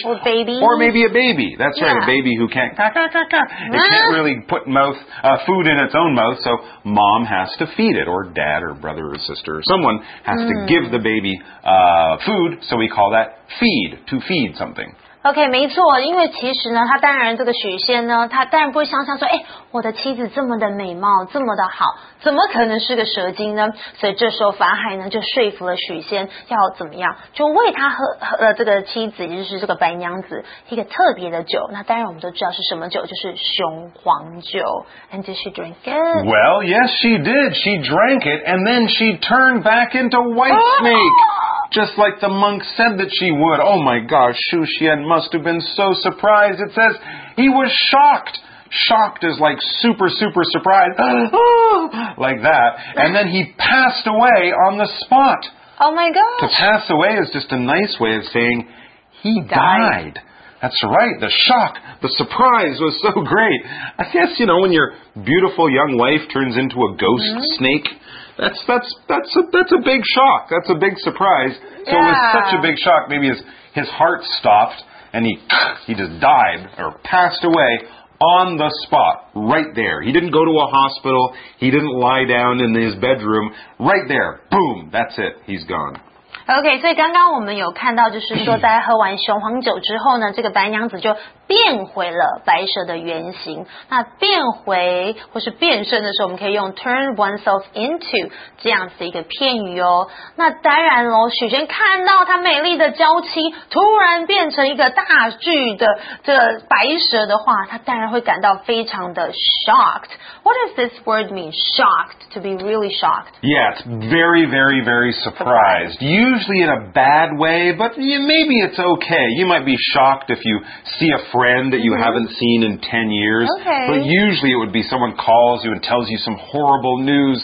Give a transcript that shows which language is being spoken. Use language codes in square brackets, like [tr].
[en] Or baby. Or maybe a baby. That's、 yeah. right, a baby who can't, it can't really put food in its own mouth, so mom has to feed it, or dad or brother or sister or someone has to give the baby food, so we call that feed, to feed something. [zh] OK, 没错，因为其实呢，他当然这个许仙呢，他当然不会想象说，哎，我的妻子这么的美貌，这么的好，怎么可能是个蛇精呢？所以这时候法海呢，就说服了许仙要怎么样，就为他和这个妻子，也就是这个白娘子，一个特别的酒。那当然我们都知道是什么酒，就是雄黄酒。 [en] And did she drink it? Well, yes, she did. She drank it, and then she turned back into white snake. Just like the monk said that she would. Oh my gosh, Shu Xian must have been so surprised. It says he was shocked. Shocked is like super, super surprised. Like that. And then he passed away on the spot. Oh my gosh. To pass away is just a nice way of saying he died. That's right. The shock, the surprise was so great. I guess, you know, when your beautiful young wife turns into a ghost snake... That's a big shock. That's a big surprise. So、 it was such a big shock. Maybe his heart stopped and he just died or passed away on the spot right there. He didn't go to a hospital. He didn't lie down in his bedroom right there. Boom. That's it. He's gone. [zh] OK， 所以刚刚我们有看到就是说在喝完雄黄酒之后呢，这个白娘子就变回了白蛇的原型。那变回或是变身的时候，我们可以用 [en] turn oneself into [zh] 这样子的一个片语哦。那当然咯，许仙看到他美丽的娇妻突然变成一个大巨的这个白蛇的话，他当然会感到非常的 shocked。 [en] What does this word mean? Shocked, to be really shocked. Yeah, it's very, very, very surprised. Usually in a bad way, but maybe it's okay. You might be shocked if you see a friend that you haven't seen in 10 years. Okay. But usually it would be someone calls you and tells you some horrible news.